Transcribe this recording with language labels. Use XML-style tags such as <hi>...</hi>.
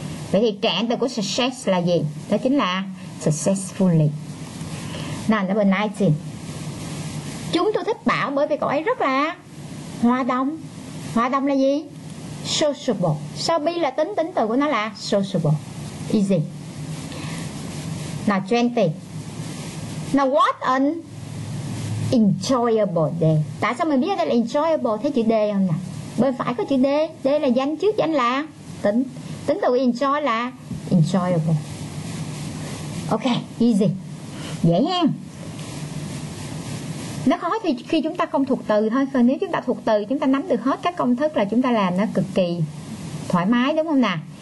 <vi>Vậy thì trạng từ của success là gì? Đó chính là successfully. Nào,</vi> <en>number 19.</en> <vi>Chúng tôi thích Bảo bởi vì cậu ấy rất là hòa đồng. Hòa đồng là gì? Sociable. Sao bi là tính, tính từ của nó là sociable.</vi> <en>Easy.</en> <vi>Nào, 20.</vi> <en>Now, what an enjoyable day.</en> <vi>Tại sao mình biết đây là enjoyable? Thấy chữ D không nè? Bên phải có chữ D. D là danh, trước danh là tính. Tính từ enjoy là enjoyable.</vi> <en>Ok, easy.</en> <vi>Dễ hen. Nó khó thì khi chúng ta không thuộc từ thôi. Và nếu chúng ta thuộc từ, chúng ta nắm được hết các công thức là chúng ta làm nó cực kỳ thoải mái, đúng không nè?</vi>